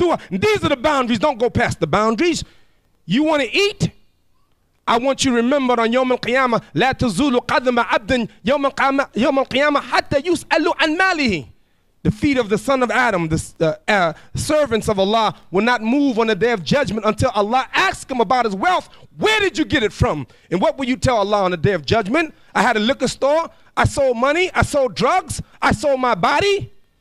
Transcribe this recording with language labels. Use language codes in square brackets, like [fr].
[en] These are the boundaries. Don't go past the boundaries. You want to eat? I want you to remember on Yawm al-Qiyamah, [ar] لَا تَزُولُ قَدْمَ عَبْدٍ يَوْمَ الْقِيَامَةِ حَتَّى يُسْأَلُ عَنْ مَالِهِ. [en] The feet of the son of Adam, the servants of Allah, will not move on the day of judgment until Allah asks him about his wealth. Where did you get it from? And what will you tell Allah on the day of judgment? I had a liquor store. I sold money. I sold drugs. I sold my body.